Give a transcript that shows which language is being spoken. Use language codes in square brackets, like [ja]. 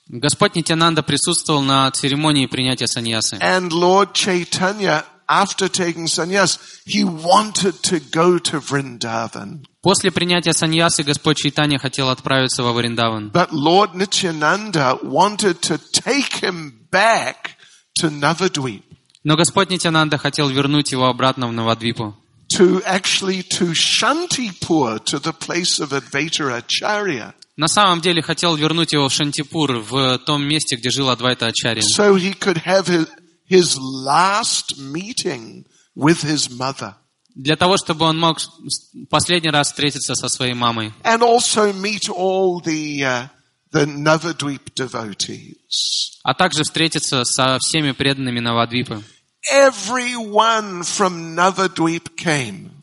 [ru] Господь Нитянанда присутствовал на церемонии принятия саньясы. [en] And Lord Chaitanya, after taking sannyas, he wanted to go to Vrindavan. [ru] После принятия саньясы Господь Чайтанья хотел отправиться во Вриндаван. [en] But Lord Nityananda wanted to take him back to Navadvip. [ru] Но Господь Нитянанда хотел вернуть его обратно в Навадвипу. [en] To actually to Шантипур, to the place of Advaita Acharya. [ru] На самом деле хотел вернуть его в Шантипур, в том месте, где жил Адвайта Ачарья. [en] So he could have his last meeting with his mother. [ru] Для того, чтобы он мог последний раз встретиться со своей мамой. [en] And also meet all the Navadvip devotees. [ru] А также встретиться со всеми преданными Навадвипы. [en] Everyone from Navadvip came.